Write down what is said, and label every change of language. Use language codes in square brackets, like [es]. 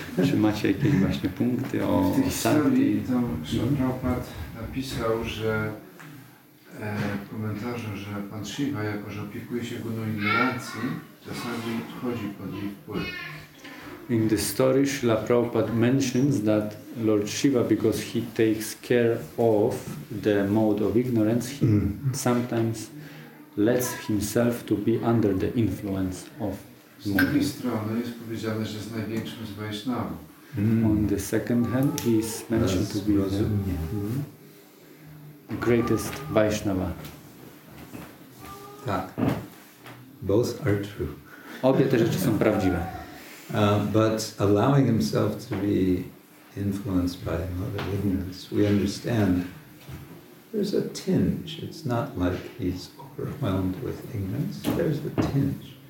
[pl] Czy macie jakieś właśnie punkty o sati? Tam Prabhupad napisał, że w komentarzu, że pan Shiva jako że opiekuje się guną ignorancji, czasami wchodzi pod jej wpływ. [en] In the story, Srila Prabhupada mentions that Lord Shiva, because he takes care of the mode of ignorance, he sometimes lets himself to be under the influence of [pl] mode. Z drugiej strony jest powiedziane, że jest największym z Vaishnava. [en] On the second hand, he is mentioned to be the greatest Vaishnava. Tak. Both are true. [pl] Obie te rzeczy są prawdziwe. [en] But allowing himself to be influenced by mother ignorance, we understand there's a tinge. It's not like he's overwhelmed with ignorance. There's a tinge.